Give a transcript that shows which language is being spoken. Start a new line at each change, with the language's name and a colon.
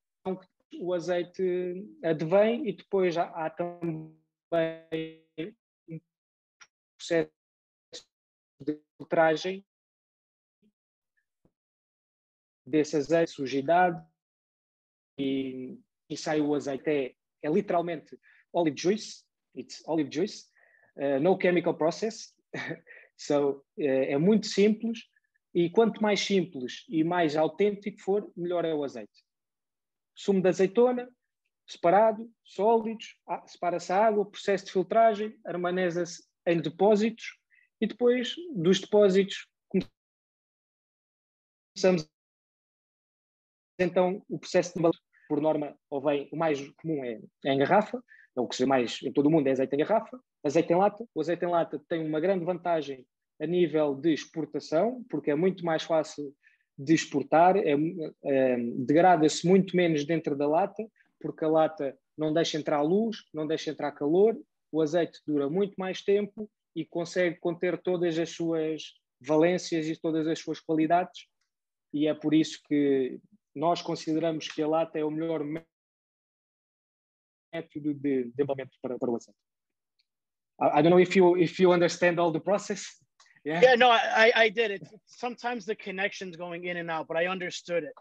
Portuguese: Então, o azeite advém e depois há também um processo de filtragem desse azeite, sujidade, e sai o azeite. É literalmente
English: olive juice, it's olive juice, no chemical process. So,
Portuguese: é muito simples. E quanto mais simples e mais autêntico for, melhor é o azeite. Sumo de azeitona, separado, sólidos, separa-se a água, processo de filtragem, armazena-se em depósitos e depois dos depósitos começamos então o processo de embalagem. Por norma, ou vem, o mais comum é em garrafa, é o que se vê mais em todo o mundo, é azeite em garrafa, azeite em lata. O azeite em lata tem uma grande vantagem a nível de exportação, porque é muito mais fácil de exportar, degrada-se muito menos dentro da lata, porque a lata não deixa entrar luz, não deixa entrar calor, o azeite dura muito mais tempo e consegue conter todas as suas valências e todas as suas qualidades, e é por isso que nós consideramos que a lata é o melhor método de desenvolvimento para o azeite.
English: I don't know if you understand all the process. Yeah, no, I did it. Sometimes the connection's going in and out, but I understood it.